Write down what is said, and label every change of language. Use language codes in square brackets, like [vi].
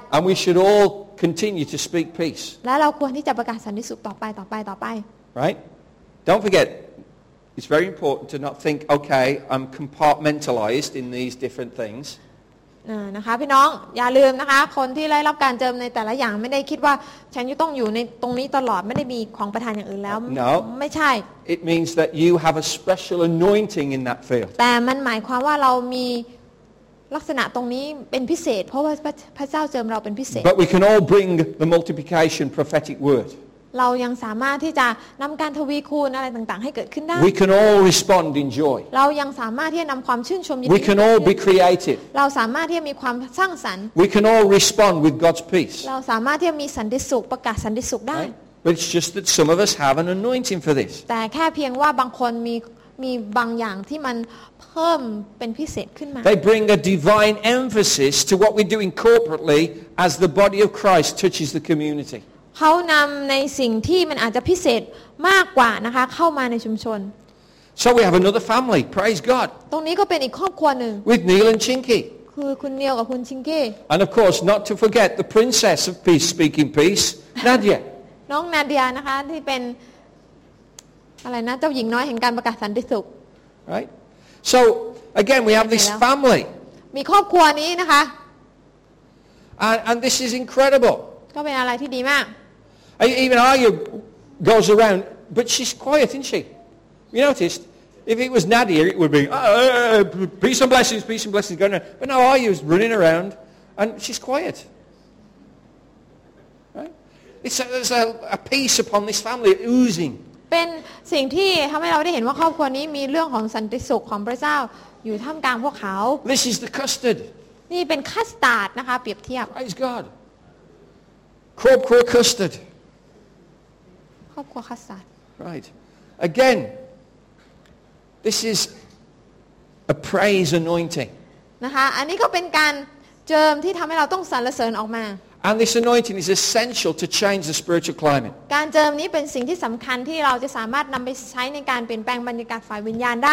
[en] And we should all continue to speak peace [th] และเราควรที่จะประกาศสันติสุขต่อไปต่อไปต่อไป [en] Right Don't forgetIt's very important to not think, okay, I'm compartmentalized in these different things. [th] นะคะพี่น้องอย่าลืมนะคะคนที่ได้รับการเจิมในแต่ละอย่างไม่ได้คิดว่าฉันจะต้องอยู่ในตรงนี้ตลอดไม่ได้มีของประทานอย่างอื่นแล้ว [en] No. [th] ไม่ใช่ [en] It means that you have a special anointing in that field. [th] แต่มันหมายความว่าเรามีลักษณะตรงนี้เป็นพิเศษเพราะว่าพระเจ้าเจิมเราเป็นพิเศษ [en] But we can all bring the multiplication prophetic word. [th] เรายังสามารถที่จะนำการทวีคูณอะไรต่างๆให้เกิดขึ้นได้ [en] We can all respond in joy [th] เรายังสามารถที่จะนำความชื่นชมยินดี [en] We can all be creative [th] เราสามารถที่จะมีความสร้างสรรค์ [en] We can all respond with God's peace [th] เราสามารถที่จะมีสันติสุขประกาศสันติสุขได้ [en] But it's just that some of us have an anointing for this [th] แต่แค่เพียงว่าบางคนมีบางอย่างที่มันเพิ่มเป็นพิเศษขึ้นมา [en] They bring a divine emphasis to what we do corporately as the body of Christ touches the community [th] เขานำในสิ่งที่มันอาจจะพิเศษมากกว่านะคะเข้ามาในชุมชน [en] So we have another family praise God [th] ตรงนี้ก็เป็นอีกครอบครัวนึง [en] With Neil and Chinky [th] คือคุณ Neil กับคุณ Chinky [en] And of course not to forget the princess of peace speaking peace Nadia [th] น้อง Nadia นะคะที่เป็นอะไรนะเจ้าหญิงน้อยแห่งการประกาศสันติสุข [en] right so again we have this family [th] มีครอบครัวนี้นะคะ [en] and this is incredible [th] ก็เป็นอะไรที่ดีมาก [en] even Arya goes around but she's quiet isn't she you noticed if it was Nadia it would be peace and blessings going around but now Arya's running around and she's quietright there's a peace upon this family oozing [th] เป็นสิ่งที่ทำให้เราได้เห็นว่าครอบครัวนี้มีเรื่องของสันติสุขของพระเจ้าอยู่ท่ามกลางพวกเขา [en] This is the custard [th] นี่เป็นคัสตาร์ดนะคะเปรียบเทียบ [en] Praise God [th] ครอบครัวคัสตาร์ด ครอบครัวคัสตาร์ด [en] Right Again This is a praise anointing [th] นะคะอันนี้ก็เป็นการเจิมที่ทำให้เราต้องสรรเสริญออกมา [en] And this anointing is essential to change the spiritual climate. [th] การเจิมนี้เป็นสิ่งที่สำคัญที่เราจะสามารถนำไปใช้ในการเปลี่ยนแปลงบรรยากาศฝ่ายวิญญาณได